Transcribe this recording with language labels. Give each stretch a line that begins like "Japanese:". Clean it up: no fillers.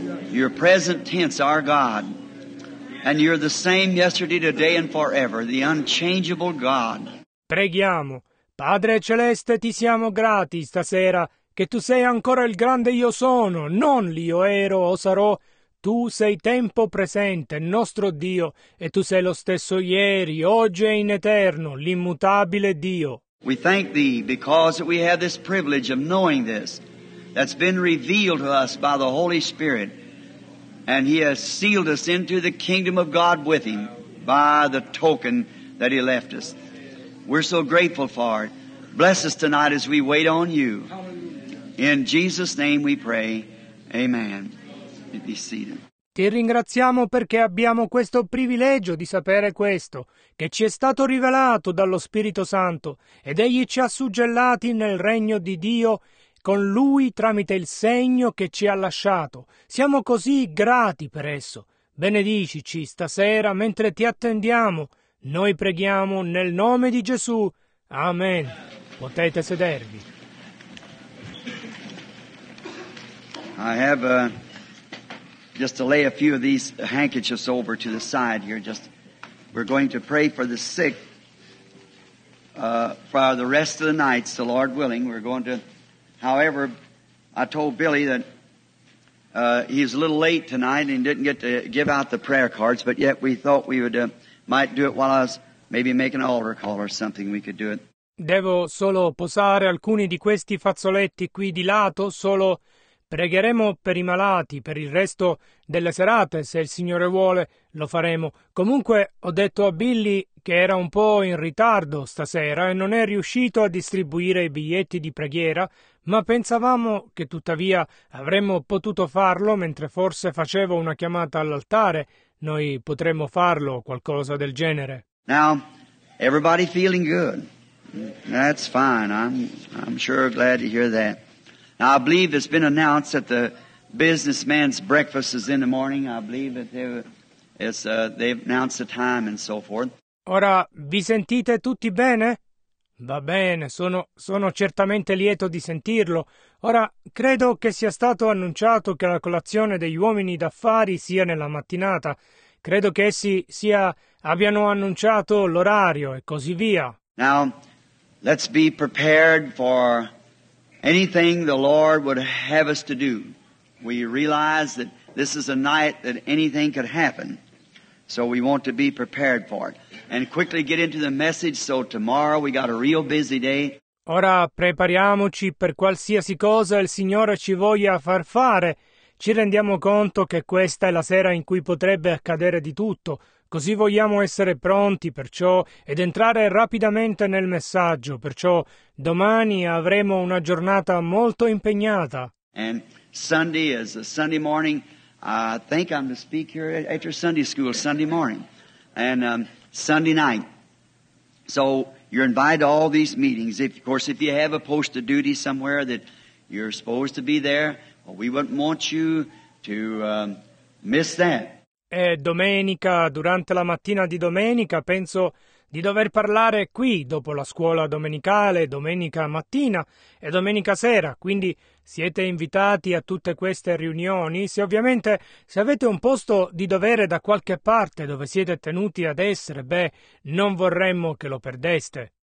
English: Your present tense, our God. And you're the same yesterday, today, and forever, the unchangeable God.
Italian: Preghiamo. Padre Celeste, ti siamo grati stasera, che tu sei ancora il grande io sono, non l'io ero o sarò. Tu sei tempo presente, nostro Dio, e tu sei lo stesso ieri, oggi e in eterno, l'immutabile Dio.
English: We thank Thee because we have this privilege of knowing this, that's been revealed to us by the Holy Spirit. And He has sealed us into the kingdom of God with Him by the token that He left us. We're so grateful for it. Bless us tonight as we wait on You. In Jesus' name we pray. Amen. Be seated.
Italian: Ti ringraziamo perché abbiamo questo privilegio di sapere questo, che ci è stato rivelato dallo Spirito Santo, ed Egli ci ha suggellati nel regno di Dio con Lui tramite il segno che ci ha lasciato. Siamo così grati per esso. Benedicici stasera mentre ti attendiamo. Noi preghiamo nel nome di Gesù. Amen. Potete sedervi.
English: I have just to lay a few of these handkerchiefs over to the side here. Just, we're going to pray for the sick for the rest of the nights, the Lord willing. We're going to... However, I told Billy that he's a little late tonight and didn't get to give out the prayer cards, but yet we thought we would might do it while I was maybe making an altar call or something. We could do it.
Italian: Devo solo posare alcuni di questi fazzoletti qui di lato. Solo pregheremo per i malati per il resto delle serate. Se il Signore vuole, lo faremo. Comunque, ho detto a Billy che era un po' in ritardo stasera e non è riuscito a distribuire i biglietti di preghiera, ma pensavamo che tuttavia avremmo potuto farlo mentre forse facevo una chiamata all'altare. Noi potremmo farlo, qualcosa del genere.
English: Now, everybody feeling good. That's fine. I'm sure glad to hear that. Now, I believe it's been announced that the businessman's breakfast is in the morning. I believe that they've announced the time and so forth.
Italian: Ora, vi sentite tutti bene? Va bene, sono certamente lieto di sentirlo. Ora, credo che sia stato annunciato che la colazione degli uomini d'affari sia nella mattinata. Credo che essi abbiano annunciato l'orario e così via.
English: Now, let's be prepared for anything the Lord would have us to do. We realize that this is a night that anything could happen. So we want to be prepared for it. And quickly get into the message, so tomorrow we got a real busy day.
Italian: Ora prepariamoci per qualsiasi cosa il Signore ci voglia far fare. Ci rendiamo conto che questa è la sera in cui potrebbe accadere di tutto. Così vogliamo essere pronti, perciò, ed entrare rapidamente nel messaggio. Perciò, domani avremo una giornata molto impegnata.
English: And Sunday is a Sunday morning. I think I'm to speak here at your Sunday school Sunday morning. And Sunday night. So you're invited to all these meetings. If you have a post of duty somewhere that you're supposed to be there, well, we wouldn't want you to miss that.
Italian: E domenica, durante la mattina di domenica, penso di dover parlare qui, dopo la scuola domenicale, domenica mattina e domenica sera. Quindi siete invitati a tutte queste riunioni. Se avete un posto di dovere da qualche parte dove siete tenuti ad essere, beh, non vorremmo che lo perdeste.